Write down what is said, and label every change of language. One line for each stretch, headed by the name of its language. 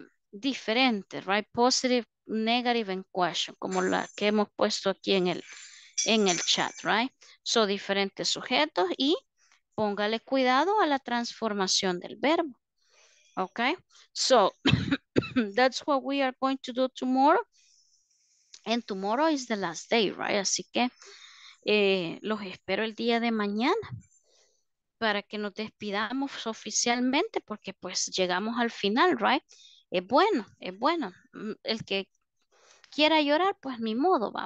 Spanish: diferente, right? Positive, negative, and question, como la que hemos puesto aquí en el chat, right? So, diferentes sujetos y póngale cuidado a la transformación del verbo, okay?
English: So, that's what we are going to do tomorrow. And tomorrow is the last day, right?
Spanish: Así que los espero el día de mañana para que nos despidamos oficialmente porque pues llegamos al final, right? Es bueno, el que quiera llorar, pues ni modo, va.